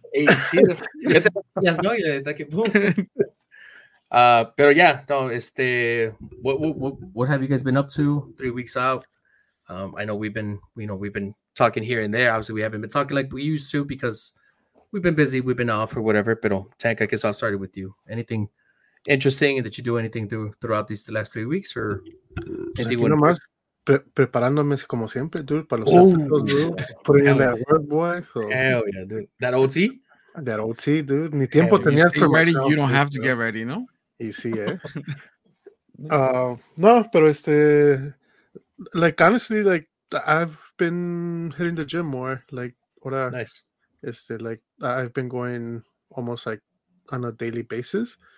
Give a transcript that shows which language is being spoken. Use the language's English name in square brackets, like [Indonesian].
[Spanish] Pero [English] yeah, no, what have you guys been up to? 3 weeks out. I know we've been talking here and there. Obviously, we haven't been talking like we used to because we've been busy, we've been off or whatever. [Spanish] Pero [English] Tank, I guess I'll start with you. Anything interesting that you do anything throughout these last 3 weeks or anything? [Spanish] Aquí nomás, preparándome como siempre, dude, para los zapatos, dude. [English] Putting in that work, boys. Hell yeah, dude. That OT? That OT, dude. [Spanish] Ni tiempo tenías [English] para ready, myself, you don't dude, have to get ready, no? [Spanish] Y sí, no, pero [English] like, honestly, like, I've been hitting the gym more. Like, [Spanish] ahora, [English] nice. I've been going almost like on a daily basis.